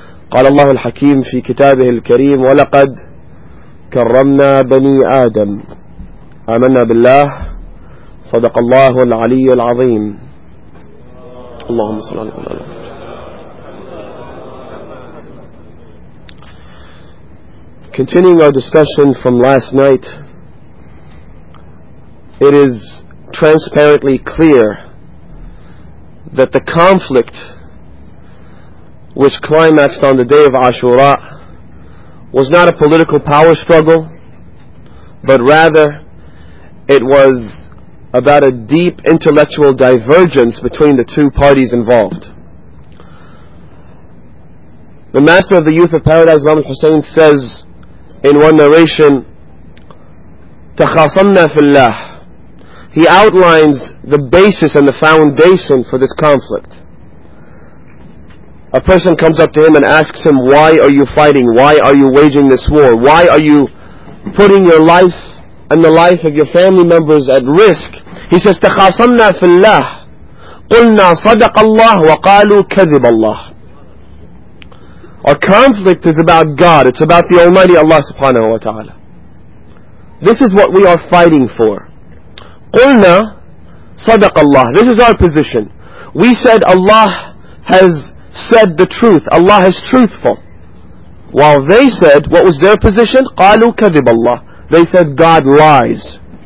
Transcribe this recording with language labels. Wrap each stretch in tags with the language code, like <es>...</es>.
<ar>قال الله الحكيم في كتابه الكريم: ولقد كرمنا بني آدم. آمنا بالله، صدق الله العلي العظيم، اللهم صل على محمد.</ar> <en>Continuing our discussion from last night, it is transparently clear that the conflict which climaxed on the day of Ashura was not a political power struggle, but rather it was about a deep intellectual divergence between the two parties involved. The Master of the Youth of Paradise, Imam Hussein, says in one narration,</en> <ar>تَخَاصَمْنَا فِي اللَّهِ.</ar> <en>He outlines the basis and the foundation for this conflict. A person comes up to him and asks him, why are you fighting? Why are you waging this war? Why are you putting your life and the life of your family members at risk? He says,</en> <ar>تَخَاصَمْنَا فِي اللَّهِ قُلْنَا صَدَقَ اللَّهِ وَقَالُوا كَذِبَ اللَّهِ.</ar> <en>Our conflict is about God. It's about the Almighty Allah subhanahu wa ta'ala. This is what we are fighting for.</en> <ar>قُلْنَا صَدَقَ اللَّهِ.</ar> <en>This is our position. We said Allah has said the truth. Allah is truthful. While they said, what was their position?</en> <ar>قَالُوا كَذِبَ اللَّهِ.</ar> <en>They said God lies.</en>